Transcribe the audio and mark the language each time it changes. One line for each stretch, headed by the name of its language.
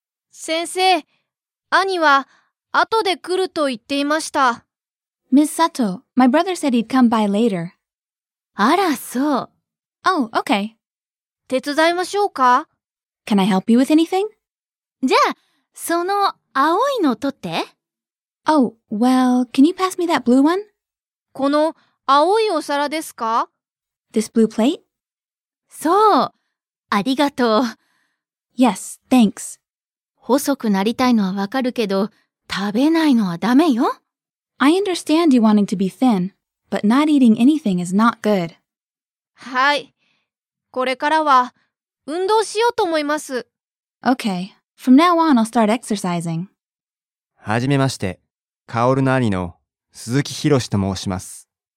Japanese: 先生、兄は後で来ると言っていました。
English: Miss Sato, my brother said he'd come by later.
Japanese: あら、そう。
English: Oh, okay.
Japanese: 手伝いましょうか？
English: Can I help you with anything?
Japanese: じゃあ、その青いのを取って。
English: Oh, well, can you pass me that blue one?
Japanese: この青いお皿ですか？
English: This blue plate?
Japanese: そう、ありがとう。
English: Yes, thanks.
Japanese: 細くなりたいのはわかるけど、食べないのはダメよ。
English: I understand you wanting to be thin, but not eating anything is not good.
Japanese: はい、これからは運動しようと思います。
English: Okay, from now on I'll start exercising.
Japanese: はじめまして、カオルの兄の鈴木ひろしと申します。